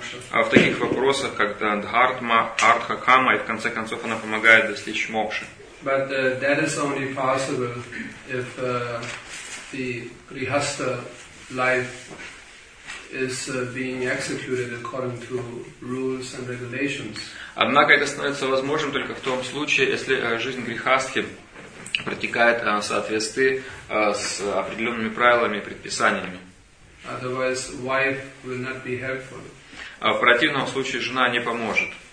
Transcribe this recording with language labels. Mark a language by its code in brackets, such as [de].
[ru] А в таких вопросах, как дхартма, артха, кама, и в конце концов она помогает достичь мокши. [en] But that is only possible if the grihastha life is being executed according to rules and regulations. [ru] Однако это становится возможным только в том случае, если жизнь грихастхи протекает в соответствии с определенными правилами и предписаниями. [en] Otherwise, wife will not be helpful. [ru] В противном случае жена не поможет.